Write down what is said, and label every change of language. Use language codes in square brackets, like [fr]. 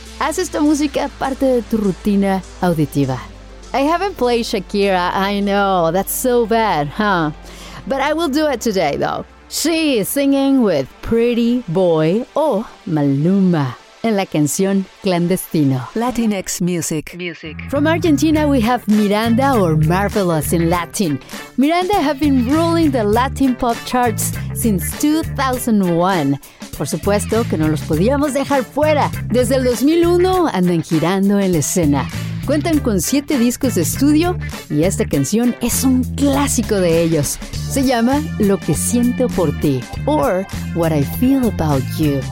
[es] Haz esta música parte de tu rutina auditiva. [en] I haven't played Shakira, I know, that's so bad, huh? But I will do it today, though. She is singing with Pretty Boy or Maluma [es] en la canción [en] Clandestino. Latinx Music. From Argentina, we have Miranda or Marvelous in Latin. Miranda have been ruling the Latin pop charts since 2001. [es] Por supuesto que no los podíamos dejar fuera. Desde el 2001 andan girando en la escena. Cuentan con 7 discos de estudio y esta canción es un clásico de ellos. Se llama Lo que siento por ti, [en] or What I feel about you.